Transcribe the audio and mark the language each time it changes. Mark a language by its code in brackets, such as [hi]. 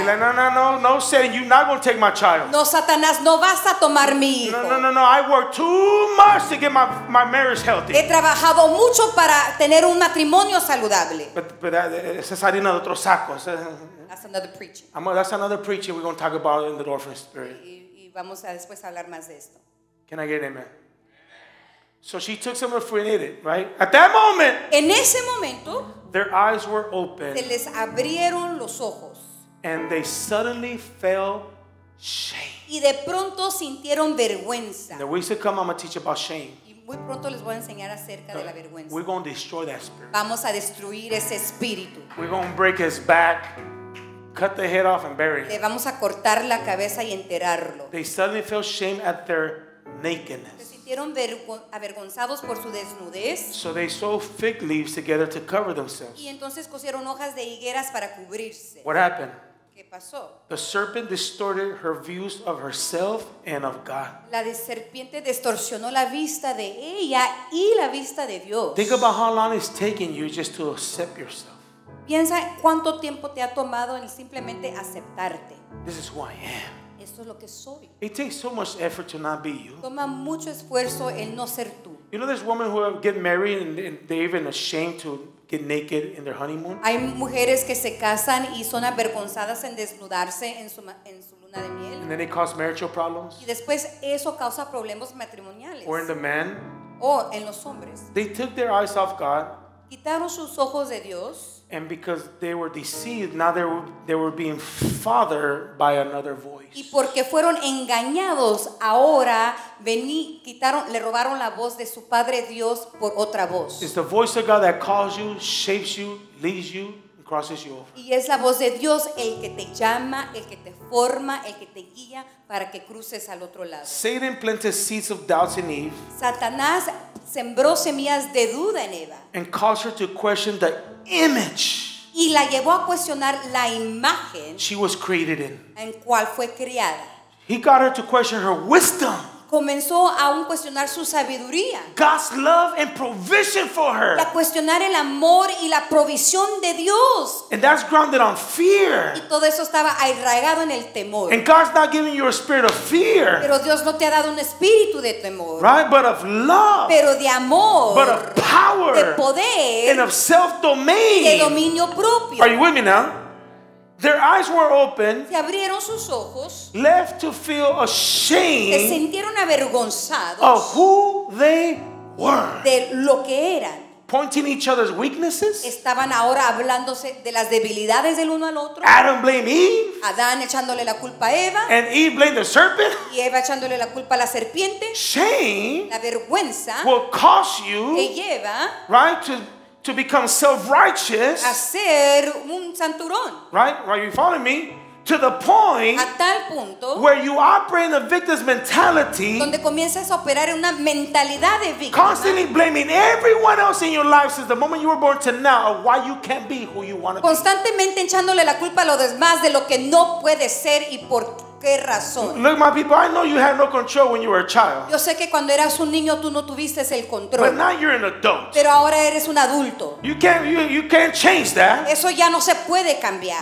[en] Like, no, Satan, you're not going to take my child. [es] No, Satanás, no vas a tomar mi hijo. [en] No, I worked too much to get my marriage healthy. [es] He trabajado mucho para tener un matrimonio saludable. But esa es harina de otro saco. [en] That's another preaching. That's another preaching we're going to talk about in the orphan spirit. [es] Y vamos a después hablar más de esto. [en] Can I get an amen? So she took some of the fruit and ate it, right? At that moment, [es] en ese momento, [en] their eyes were open. [es] Se les abrieron los ojos. [en] And they suddenly felt shame. [es] Y de pronto sintieron vergüenza. [en] The weeks to come, I'm going to teach about shame. [es] Y muy pronto les voy a enseñar acerca de la vergüenza. [en] We're going to destroy that spirit. [es] Vamos a destruir ese espíritu. [en] We're going to break his back. Cut the head off and bury it. [es] Le vamos a cortar la cabeza y enterrarlo. [en] They suddenly felt shame at their nakedness. [es] Fueron avergonzados por su desnudez. [en] So they sew fig leaves together to cover themselves. [es] Y entonces cosieron hojas de higueras para cubrirse. [en] What happened? [es] ¿Qué pasó? [en] The serpent distorted her views of herself and of God. [es] La serpiente distorsionó la vista de ella y la vista de Dios. [en] Think about how long it's taken you just to accept yourself. [es] Piensa cuánto tiempo te ha tomado en simplemente aceptarte. [en] This is who I am. [es] Esto es lo que soy. [en] It takes so much effort to not be you. [es] Toma mucho esfuerzo el no ser tú. [en] You know there's women who get married and they're even ashamed to get naked in their honeymoon. [es] Hay mujeres que se casan y son avergonzadas en desnudarse en su luna de miel. [en] And then it causes marital problems. [es] Y después eso causa problemas matrimoniales. [en] Or in the men. [es] O en los hombres. [en] They took their eyes off God. [es] Quitaron sus ojos de Dios. [en] And because they were deceived, now they were being fathered by another voice. [es] Y porque fueron engañados, ahora le robaron la voz de su padre Dios por otra voz. [en] It's the voice of God that calls you, shapes you, leads you. crosses you over. [es] Y es la voz de Dios el que te llama, el que te forma, el que te guía para que cruces al otro lado. [en] Satan planted seeds of doubts in Eve. [es] Satanás sembró semillas de duda en Eva. [en] And caused her to question the image. [es] Y la llevó a cuestionar la imagen. [en] She was created in. [es] En cual fue criada. [en] He got her to question her wisdom. [es] Comenzó a un cuestionar su sabiduría. [en] God's love and provision for her. [es] A cuestionar el amor y la provisión de Dios. [en] And that's grounded on fear. [es] Y todo eso estaba arraigado en el temor. [en] And God's not giving you a spirit of fear. [es] Pero Dios no te ha dado un espíritu de temor. [en] Right, but of love. [es] Pero de amor. [en] But of power. [es] De poder. [en] And of self-domain. [es] Y de dominio propio. [en] Are you with me now? Their eyes were open. [es] Se abrieron sus ojos. [en] Left to feel ashamed. [es] Se sintieron avergonzados. [en] Of who they were. [es] De lo que eran. [en] Pointing each other's weaknesses. [es] Estaban ahora hablándose de las debilidades del uno al otro. [en] Adam blamed Eve. [es] Adán echándole la culpa a Eva. [en] And Eve blamed the serpent. [es] Y Eva echándole la culpa a la serpiente. [en] Shame. [es] La vergüenza. [en] Will cause you. [es] Te lleva. [en] Right to become self-righteous. [es] A ser un santurón. [en] Right? Are you following me? To the point [es] a tal punto [en] where you operate in a victim's mentality, [es] donde comienzas a operar en una mentalidad de víctima, [en] constantly blaming everyone else in your life since the moment you were born to now of why you can't be who you want to be. [es] Constantemente echándole la culpa a los demás de lo que no puede ser y por qué. ¿Qué razón? [en] Look, my people, I know you had no control when you were a child. [es] Yo sé que cuando eras un niño tú no tuviste el control. [en] But now you're an adult. [es] Pero ahora eres un adulto. [en] You can't change that. [es] Eso ya no se puede cambiar.